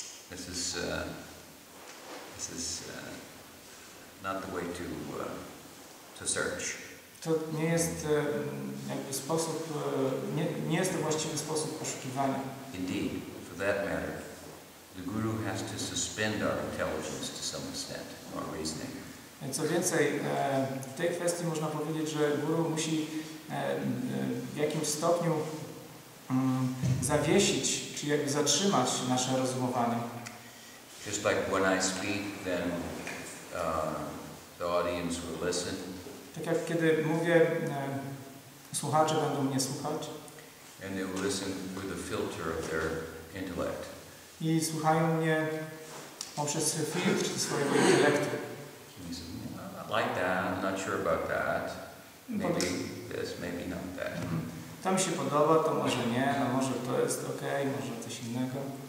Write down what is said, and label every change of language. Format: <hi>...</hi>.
<en>This is not the way to search.</en> <pl>To nie jest jakby sposób, nie jest to właściwy sposób poszukiwania.</pl> <en>Indeed, for that matter, the guru has to suspend our intelligence to some extent, our reasoning.</en> <pl>Co więcej, w tej kwestii można powiedzieć, że guru musi w jakimś stopniu zawiesić, czy jakby zatrzymać nasze rozumowanie.</pl> <en>Just like when I speak, then the audience will listen.</en> <pl>Tak jak kiedy mówię, słuchacze będą mnie słuchać.</pl> <en>And they will listen through the filter of their intellect.</en> <pl>I słuchają mnie poprzez filtr swojego intelektu.</pl> <en>I like that, I'm not sure about that. Maybe this, maybe not that.</en> <pl>To mi się podoba, to może nie, a może to jest ok, może coś innego.</pl>